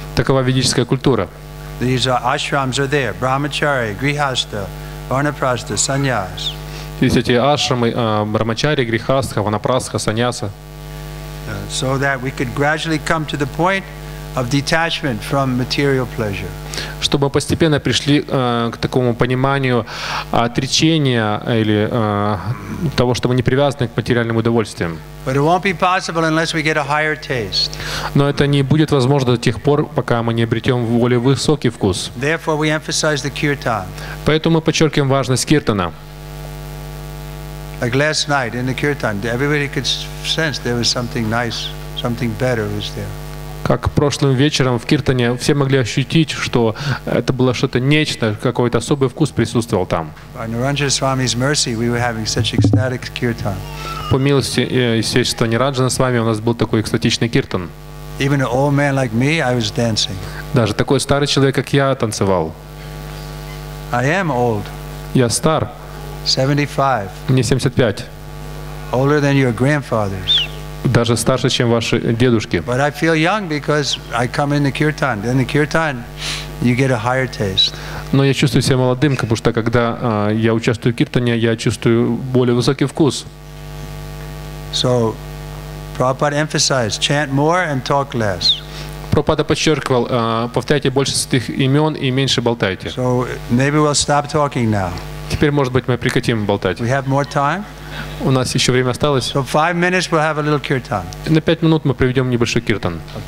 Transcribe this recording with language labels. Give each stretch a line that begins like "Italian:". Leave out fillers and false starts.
Russian: Такова ведическая культура.
English: These ashrams are there, brahmachari, grihastha, varnaprastha, sannyas.
Russian: То есть эти ашрамы, брахмачари, грихастха, ванапрасха, саньяса.
English: So that we could gradually come to the point of detachment from material pleasure.
Russian: Чтобы постепенно пришли к такому пониманию отречения или того, что мы не привязаны к материальным удовольствиям.
English: But it won't be possible unless we get a higher taste.
Russian: Но это не будет возможно до тех пор, пока мы не обретем более высокий вкус.
English: Therefore we emphasize the kirtan.
Russian: Поэтому мы подчеркиваем важность киртана.
English: Like last night in the kirtan, everybody could sense there was something nice, something better was there.
Russian: Как прошлым вечером в киртане все могли ощутить, что это было что-то нечто, какой-то особый вкус присутствовал там. По милости естественно Нираджана с вами у нас был такой экстатичный киртан.
English: Even an old man like me, I was dancing.
Russian: Даже такой старый человек, как я, танцевал.
English: I am old.
Russian: Я стар.
English: 75.
Russian: Мне 75.
English: Older than your grandfathers.
Russian: Даже старше, чем ваши дедушки.
English: But I feel young because I come in the kirtan. In the kirtan, you get a higher taste.
Russian: Но я чувствую себя молодым, потому что когда я участвую в киртане, я чувствую более высокий вкус.
English: So, Prabhupada emphasized, chant more and talk less.
Russian: Прабхупада подчеркивал, повторяйте больше святых имен и меньше болтайте.
English: So, maybe we'll stop talking now.
Russian: Теперь, может быть, мы прекратим болтать.
English: We have more time.
Russian: У нас еще время осталось.
English: So 5 minutes we'll have a little kirtan.
Russian: На 5 минут мы проведем небольшой киртан.